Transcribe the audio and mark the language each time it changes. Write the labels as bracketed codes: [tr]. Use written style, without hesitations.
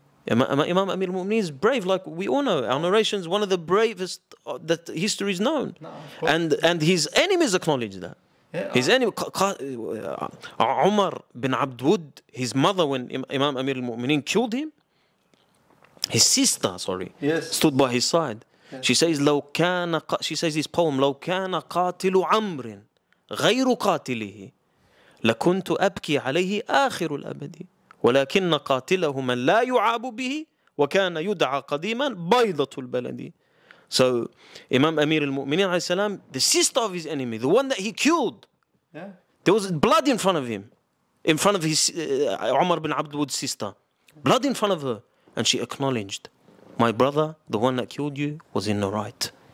[en] Imam Amir al-Mu'mineen is brave, like we all know. Our narration is one of the bravest that history is known. And his enemies acknowledge that. Yeah, his enemy, Umar bin Abdwud, his mother, when Imam Amir al-Mu'mineen killed him, his sister, stood by his side. She says, "Lo kana." She says this poem, [ar] "Lo kana qatilu amrin, غير قاتله, لكنت أبكي عليه آخر الأبد. ولكن قاتله من لا يعاب به وكان يدعى قديما بيضة البلد. [en] So Imam Amir al-Mu'minin alayhi salam, the sister of his enemy, the one that he killed, there was blood in front of him, in front of his Umar bin Abdul's sister, blood in front of her, and she acknowledged, "My brother, the one that killed you, was in the right."